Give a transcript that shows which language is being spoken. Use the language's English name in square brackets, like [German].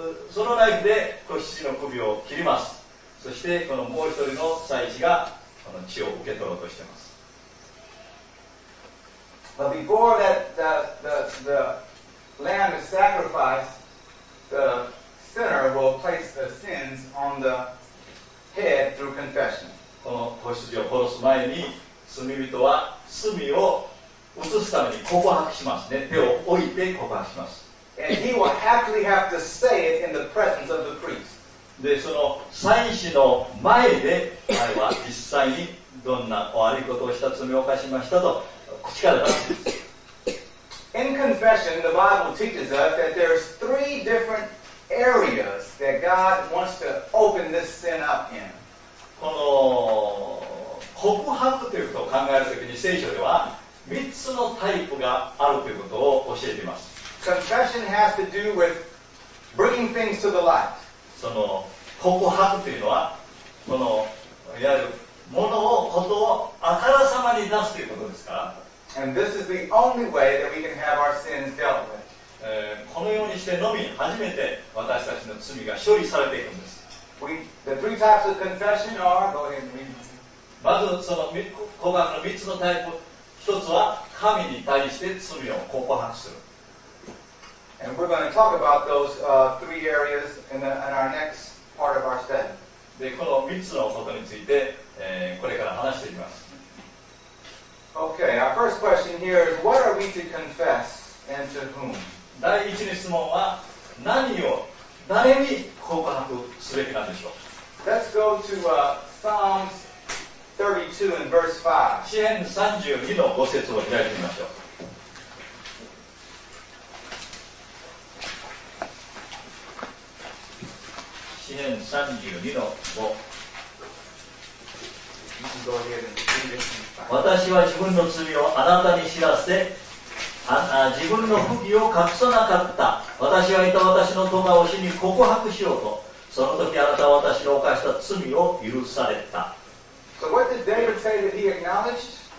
[Japanese] そのナイフで子羊の首を切ります。そしてこのもう一人の祭司がこの血を受け取ろうとしています。 [English] But before that the lamb is sacrificed, the sinner will place the sins on theHead through confession. [Japanese] この子羊を殺す前に罪人は罪を移すために告白しますね。手を置いて告白します。 [English] And he will happily have to say it in the presence of the priest. [Japanese] で、その祭司の前で彼は実際にどんな悪いことをした、罪を犯しましたと口から出します。 [English] In confession, the Bible teaches us that there's three differentareas that God wants to open this sin up in. [Japanese] この告白ということを考えるときに聖書では3つのタイプがあるということを教えています。 [English] Confession has to do with bringing things to the light. [Japanese] その告白というのはこのいわゆるものを、ことをあからさまに出すということですから。 [English] And this is the only way that we can have our sins dealt with. [Japanese] このようにしてのみ初めて私たちの罪が処理されていくんです。 [English] The three types of confession are, go ahead and read. [Japanese] まずその告白の3つのタイプ、1つは神に対して罪を告白する。 [English] And we're going to talk about those three areas in our next part of our study. [Japanese] で、この3つのことについて、これから話していきます。 [English] Okay, our first question here is, what are we to confess and to whom? [Japanese] 第一の質問は、何を、誰に告白すべきなんでしょう。 [English] Let's go to Psalms 32 and verse 5. [Japanese] 詩篇32の5節を開いてみましょう。詩篇32の5。私は自分の罪をあなたに知らせ、自分の不義を隠さなかった。私はいた私の戸惑しに告白しようと。その時あなたは私の犯した罪を許された。 [English] So what did David say that he acknowledged?